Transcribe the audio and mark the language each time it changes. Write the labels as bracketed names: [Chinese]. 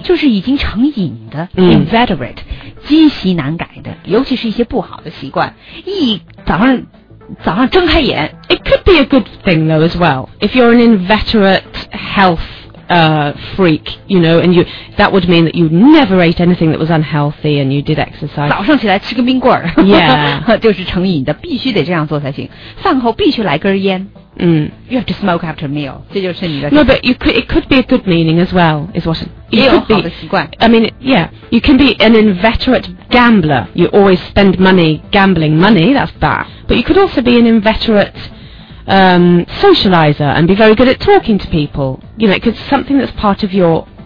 [Chinese] 就是已经成瘾的、mm. inveterate, 积习难改的，尤其是一些不好的习惯。一早上睁开眼 [English] ，It could be a good thing though as well. If you're an inveterate health freak, you know, and you that would mean that you never ate anything that was unhealthy and you did exercise. [Chinese] 早上起来吃个冰棍儿 [English] ，Yeah, [Chinese] 就是成瘾的，必须得这样做才行。饭后必须来根烟。嗯、 [English] You have to smoke after meal. [Chinese] 这就是你的。 [English] No, but you could, it could be a good meaning as well. Is what it could be. [Chinese] 也有好的习惯。 [English] I mean, yeah, you can be an inveterate gambler. You always spend money gambling money. That's bad. But you could also be an inveterate. Socializer and be very good at talking to people. You know, it's something that's part of your